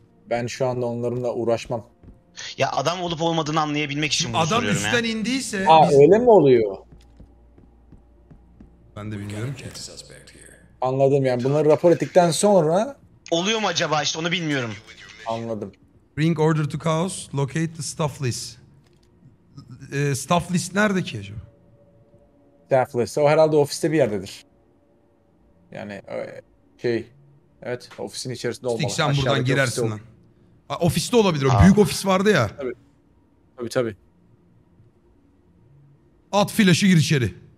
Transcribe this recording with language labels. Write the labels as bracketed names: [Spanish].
[Turkish] Ben şu anda onlarımla uğraşmam. Ya adam olup olmadığını anlayabilmek için bunu adam soruyorum ya. Adam üstten indiyse... Öyle mi oluyor? Ben de bilmiyorum ki. Anladım yani bunları rapor ettikten sonra... Oluyor mu acaba işte onu bilmiyorum. Anladım. [English] Bring order to chaos, locate the staff list. [Turkish] Staff list nerede ki acaba? Staff list. O herhalde ofiste bir yerdedir. Yani şey... Evet, ofisin içerisinde olmalı. Sting sen buradan girersin lan. Ofiste olabilir o. Büyük ofis vardı ya. Tabii. At flaşı gir içeri.